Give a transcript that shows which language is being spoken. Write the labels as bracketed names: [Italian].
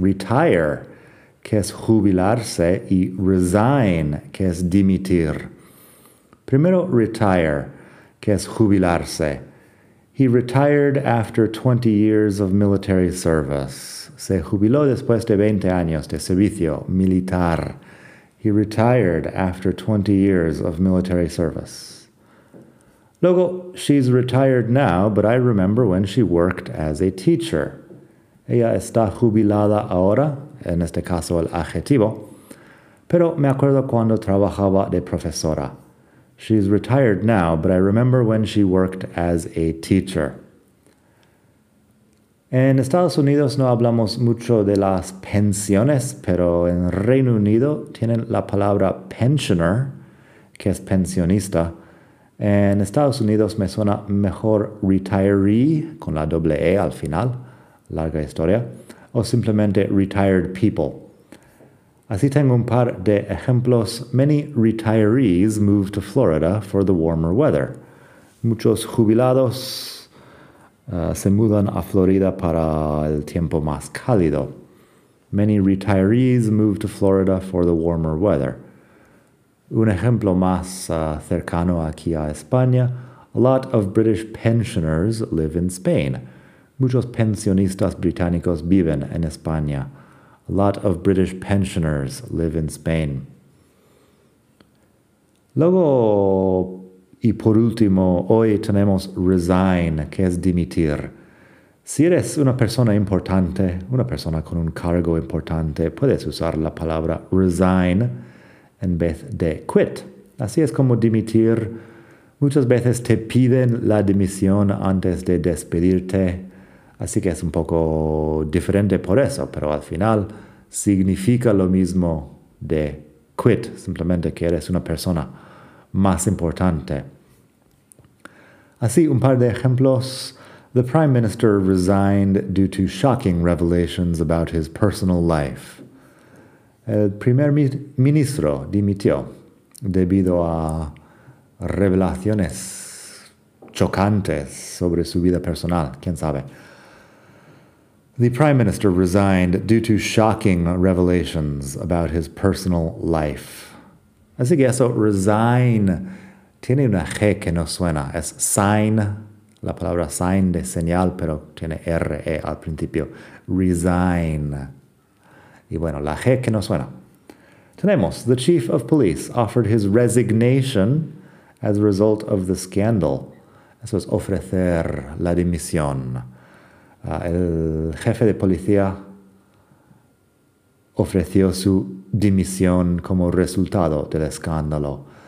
[Spanish] Retire, que es jubilarse, y resign, que es dimitir. Primero, retire, que es jubilarse. [English] He retired after 20 years of military service. [Spanish] Se jubiló después de 20 años de servicio militar. [English] He retired after 20 years of military service. [Spanish] Luego, [English] she's retired now, but I remember when she worked as a teacher. [Spanish] Ella está jubilada ahora, en este caso el adjetivo, pero me acuerdo cuando trabajaba de profesora. [English] She's retired now, but I remember when she worked as a teacher. [Spanish] En Estados Unidos no hablamos mucho de las pensiones, pero en Reino Unido tienen la palabra pensioner, que es pensionista. En Estados Unidos me suena mejor retiree, con la doble E al final, larga historia, o simplemente retired people. Así tengo un par de ejemplos. [English] Many retirees move to Florida for the warmer weather. [Spanish] Muchos jubilados se mudan a Florida para el tiempo más cálido. [English] Many retirees move to Florida for the warmer weather. [Spanish] Un ejemplo más cercano aquí a España. [English] A lot of British pensioners live in Spain. [Spanish] Muchos pensionistas británicos viven en España. [English] A lot of British pensioners live in Spain. [Spanish] Luego, y por último, hoy tenemos resign, que es dimitir. Si eres una persona importante, una persona con un cargo importante, puedes usar la palabra resign en vez de quit. Así es como dimitir. Muchas veces te piden la dimisión antes de despedirte. Así que es un poco diferente por eso, pero al final significa lo mismo de quit, simplemente que eres una persona más importante. Así, un par de ejemplos. [English] The Prime Minister resigned due to shocking revelations about his personal life. [Spanish] El primer ministro dimitió debido a revelaciones chocantes sobre su vida personal, quién sabe. [English] The Prime Minister resigned due to shocking revelations about his personal life. [Spanish] Así que eso, resign, tiene una G que no suena. Es sign, la palabra sign de señal, pero tiene R-E al principio. Resign. Y bueno, la G que no suena. Tenemos, [English] the chief of police offered his resignation as a result of the scandal. [Spanish] Eso es ofrecer la dimisión. El jefe de policía ofreció su dimisión como resultado del escándalo.